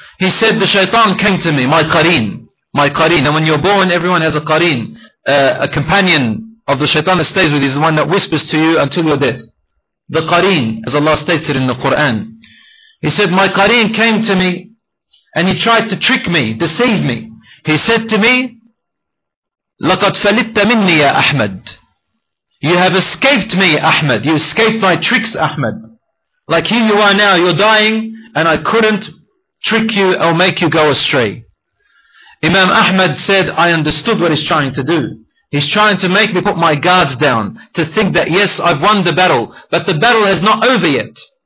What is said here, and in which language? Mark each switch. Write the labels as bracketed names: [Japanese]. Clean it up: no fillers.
[English] He said, the shaitan came to me, my qareen. And when you're born, everyone has a qareen, a companion of the shaitan that stays with you, is the one that whispers to you until your death. The qareen, as Allah states it in the Quran. He said, my qareen came to me, and he tried to trick me, deceive me. He said to me, [Arabic] لَقَدْ فَلِتَّ مِنِّي يَا أَحْمَدْ. [English] You have escaped me, Ahmed. You escaped my tricks, Ahmed. Like here you are now, you're dying, and I couldn't trick you or make you go astray. Imam Ahmad said, I understood what he's trying to do. He's trying to make me put my guards down, to think that yes, I've won the battle, but the battle is not over yet.